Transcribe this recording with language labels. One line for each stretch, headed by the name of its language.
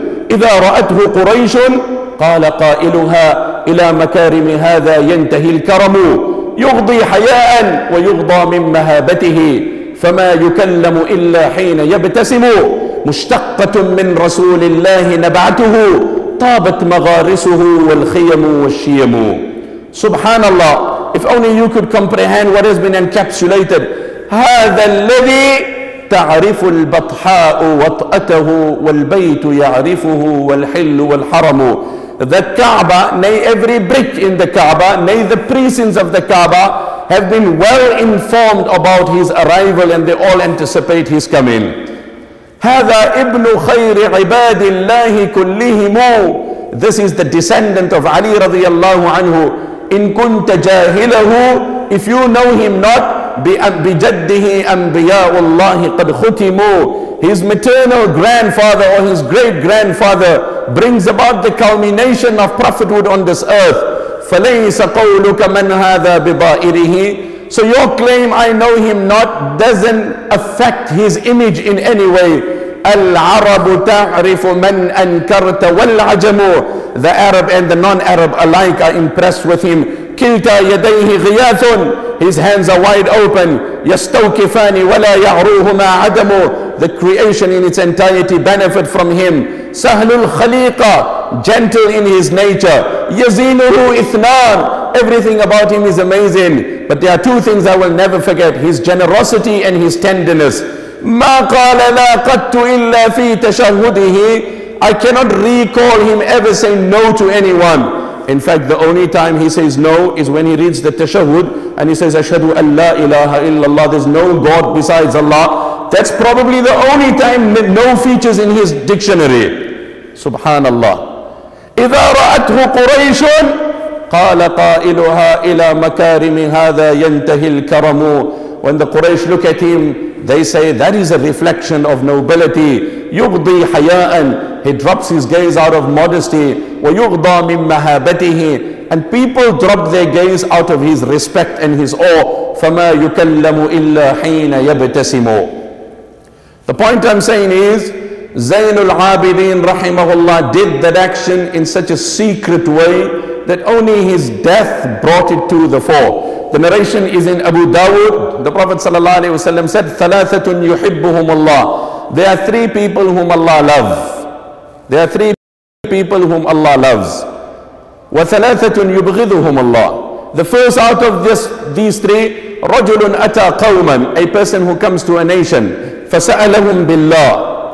Arabic: إذا رأته قريش قال قائلها إلى مكارم هذا ينتهي الكرم يغضي حياء ويغضى من مهابته فما يكلم إلا حين يبتسم مشتقة من رسول الله نبعته طابت مغارسه والخيم والشيم سبحان الله.
English: If only you could comprehend what has been encapsulated.
Arabic: هذا الذي تعرف البطحاء وطأته والبيت يعرفه والحل والحرم.
English: The Kaaba, nay every brick in the Kaaba, nay the precincts of the Kaaba have been well informed about his arrival and they all anticipate his coming.
Arabic: هذا ابن خير عباد الله كلهم.
English: This is the descendant of Ali
Arabic: رضي الله عنه. إن كنت جاهله,
English: if you know him not,
Arabic: بجده أنبياء الله قد ختموا.
English: His maternal grandfather or his great grandfather brings about the culmination of prophethood on this earth.
Arabic: فليس قولك من هذا ببائره.
English: So your claim I know him not doesn't affect his image in any way.
Arabic: العرب تعرف من أنكرت والعجم.
English: The Arab and the non-Arab alike are impressed with him.
Arabic: كلتا يديه غياث.
English: His hands are wide open.
Arabic: يستوكفان ولا يعروهما عدم.
English: The creation in its entirety benefit from him.
Arabic: سهل الخليقة.
English: Gentle in his nature.
Arabic: يزينه إثنان.
English: Everything about him is amazing. But there are two things I will never forget. His generosity and his tenderness.
Arabic: ما قال لا قدت إلا في تشهده.
English: I cannot recall him ever saying no to anyone. In fact, the only time he says no is when he reads the tashahud and he says,
Arabic: Ashhadu an la ilaha illallah,
English: there's no God besides Allah. That's probably the only time no features in his dictionary.
Arabic: Subhanallah. إِذَا رَأَتْهُ قُرَيْشٌ قَالَ قَائِلُهَا إِلَى مَكَارِمِ هَذَا يَنْتَهِ الْكَرَمُ.
English: When the Quraysh look at him, they say, that is a reflection of nobility.
Arabic: يُغْضِي حَيَاءً.
English: He drops his gaze out of modesty.
Arabic: وَيُغْضَى مِن مَهَابَتِهِ.
English: And people drop their gaze out of his respect and his awe.
Arabic: فَمَا يُكَلَّمُ إِلَّا حِينَ يَبْتَسِمُ.
English: The point I'm saying is, زَيْنُ الْعَابِدِينَ
Arabic: رَحِمَهُ اللَّهُ
English: did that action in such a secret way that only his death brought it to the fore. The narration is in Abu Dawud. The Prophet ﷺ said,
Arabic: ثَلَاثَةٌ يُحِبُّهُمُ اللَّهُ.
English: There are three people whom Allah loves. There are three people whom Allah loves.
Arabic: وَثَلَاثَةٌ يُبْغِذُهُمُ اللَّهُ.
English: The first out of these three,
Arabic: رَجُلٌ أَتَى قَوْمًا.
English: A person who comes to a nation.
Arabic: فَسَأَلَهُمْ بِاللَّهُ.